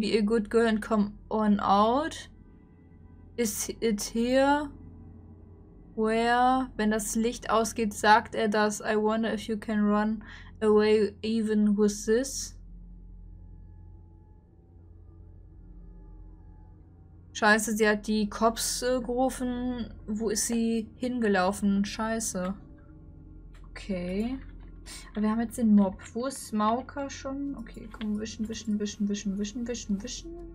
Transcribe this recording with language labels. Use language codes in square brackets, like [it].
[en] Be a good girl and come on out. Is it here? Where? [de] Wenn das Licht ausgeht, sagt er das. [en] I wonder if you can run away even with this. [de] Scheiße, sie hat die Cops gerufen. Wo ist sie hingelaufen? Scheiße. Okay. Aber wir haben jetzt den Mob. Wo ist Mauka schon? Okay, komm, wischen, wischen, wischen, wischen, wischen, wischen, wischen.